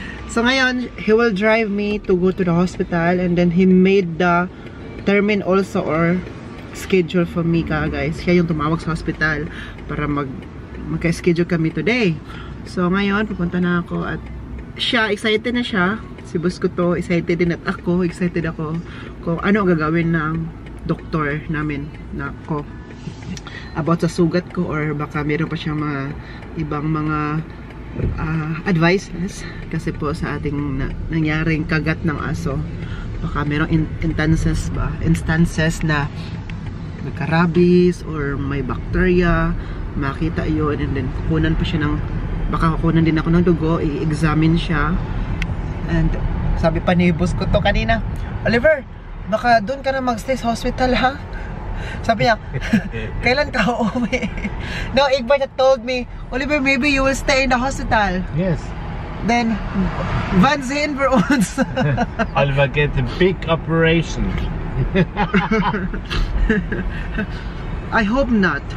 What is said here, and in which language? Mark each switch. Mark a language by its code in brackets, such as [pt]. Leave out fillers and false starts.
[tl] So ngayon, [en] he will drive me to go to the hospital and then he made the termin also or schedule for me, guys. [tl] Siya yung tumawag sa hospital para magka-schedule kami today. So ngayon, pupunta na ako at siya, excited na siya. Si Buskuto, excited din at ako, excited ako kung ano gagawin ng doktor namin na ako. About sa sugat ko or baka meron pa siya mga ibang mga advices kasi po sa ating nangyaring kagat ng aso baka merong instances na nagka-rabies or may bacteria makita yun and then kukunan pa siya ng baka kukunan din ako ng dugo i-examine siya and sabi pa ni boss ko [en] to [tl] kanina Oliver, baka doon ka na magstay sa hospital ha? Sabi niya, kailan ka uuwi? [en] No, Igbert told me, Oliver, maybe you will stay in the hospital. Yes. Then, Van Zin for us. I'll get a big operation. I hope not.